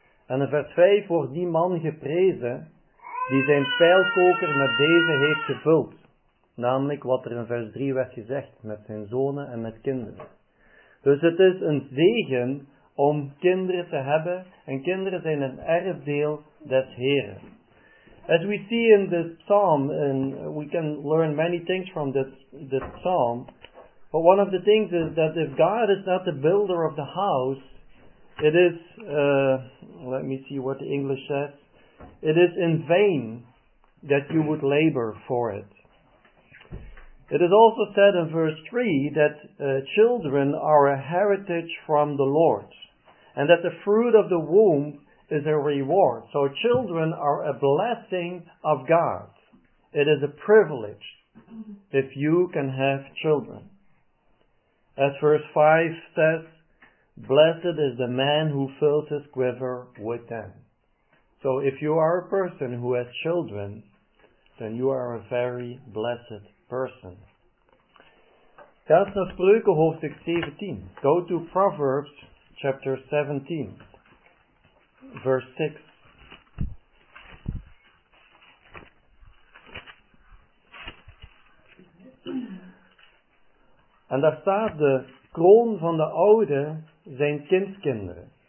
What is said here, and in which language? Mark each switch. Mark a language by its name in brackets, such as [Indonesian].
[Dutch] En in vers 5 wordt die man geprezen die zijn pijlkoker met deze heeft gevuld. Namelijk wat er in vers 3 werd gezegd met zijn zonen en met kinderen. Dus het is een zegen om kinderen te hebben en kinderen zijn een erfdeel des Heren. [English] As we see in this psalm, and we can learn many things from this psalm, but one of the things is that if God is not the builder of the house, it is, let me see what the English says, it is in vain that you would labor for it. It is also said in verse 3 that children are a heritage from the Lord, and that the fruit of the womb is a reward. So children are a blessing of God. It is a privilege if you can have children. As verse 5 says, blessed is the man who fills his quiver with them. So if you are a person who has children, then you are a very blessed person. [Dutch] Ga naar Spreuken hoofdstuk 17. [English] Go to Proverbs chapter 17. Verse 6. [Dutch] En daar staat, de kroon van de oude zijn kindskinderen.